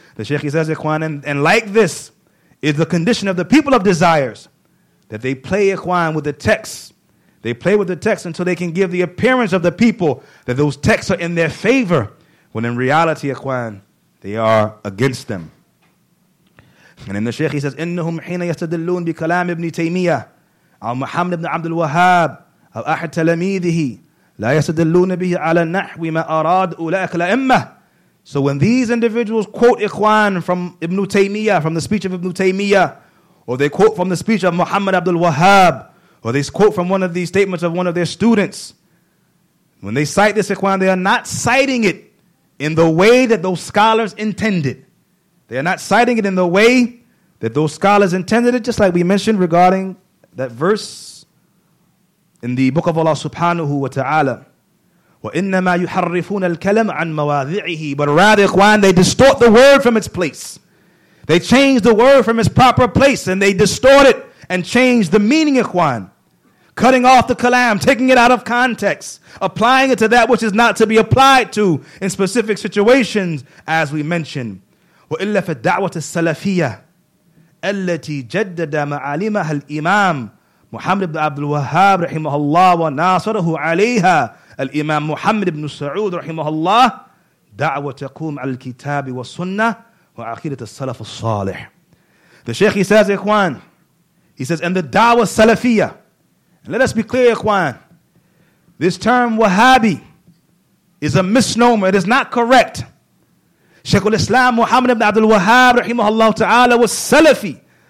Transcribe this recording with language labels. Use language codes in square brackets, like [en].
[en] The Shaykh says, Ikhwan, and like this is the condition of the people of desires, that they play, Ikhwan, with the texts. They play with the texts until they can give the appearance of the people that those texts are in their favor, when in reality, Ikhwan, they are against them. And in the Shaykh, he says, [ar] إِنَّهُمْ حِينَ يَسْتَدِلُّونَ بِكَلَامِ ابْنِ تَيْمِيَةِ أَوْ مُحَمَّدْ ابْنِ عَبْدِ الْوَهَابِ أَوْ أَحَدْ تَلَمِيذِهِ لَا يَسْتَدِلُّونَ بِهِ عَلَى النَّحْوِ مَا أَرَادُ أُولَئِكَ الْأَئِمَّةِ. [en] So when these individuals quote, Ikhwan, from Ibn Taymiyyah, from the speech of Ibn Taymiyyah, or they quote from the speech of Muhammad Abdul Wahhab, or they quote from one of these statements of one of their students, when they cite this, Ikhwan, they are not citing it in the way that those scholars intended. They are not citing it in the way that those scholars intended it, just like we mentioned regarding that verse in the book of Allah subhanahu wa ta'ala. [ar] وَإِنَّمَا يُحَرِّفُونَ الْكَلَمْ عَنْ مَوَاذِعِهِ. [en] But rather, Ikhwan, they distort the word from its place. They change the word from its proper place, and they distort it and change the meaning, Ikhwan. Cutting off the kalam, taking it out of context, applying it to that which is not to be applied to in specific situations, as we mentioned. [ar] وَإِلَّا فَالدَّعْوَةَ السَّلَفِيَّةَ الَّتِي جَدَّدَ مَعَالِمَهَا الْإِمَامُ محمد بن عبد الوهاب رحمه الله وناصره عليها الإمام محمد بن سعود رحمه الله دعوة تقوم على الكتاب والسنة وعقيدة السلف الصالح. [en] The Shaykh, he says, Ikhwan, he says, and the da'wah salafiyah. Let us be clear, Ikhwan. This term Wahhabi is a misnomer. It is not correct. Shaykh al-Islam Muhammad ibn Abdul Wahhab رحمه الله تعالى was Salafi.